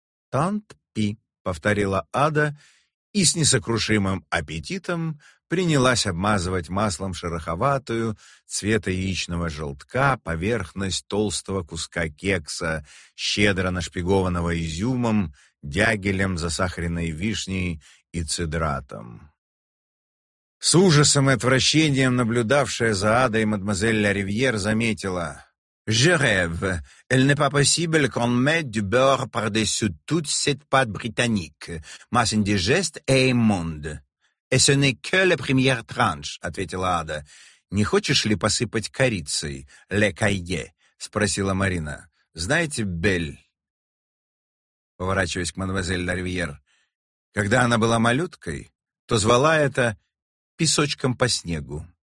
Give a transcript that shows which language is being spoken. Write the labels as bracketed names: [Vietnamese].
[Russian] «Тант-пи», — повторила Ада, и с несокрушимым аппетитом принялась обмазывать маслом шероховатую, цвета яичного желтка, поверхность толстого куска кекса, щедро нашпигованного изюмом, дягелем, засахаренной вишней и цедратом. С ужасом и отвращением наблюдавшая за Адой мадемуазель Ла Ривьер заметила: [French] «Je rêve, elle n'est pas possible qu'on mette du beurre par-dessus toute cette pâte britannique, masse indigeste et immonde. Et ce n'est que la première tranche», — [Russian] ответила Ада. «Не хочешь ли посыпать корицей, [French] le caillé?» [Russian] — спросила Марина. «Знаете, Бель», — поворачиваясь к мадемуазель Ла Ривьер, «когда она была малюткой, то звала это песочком по снегу».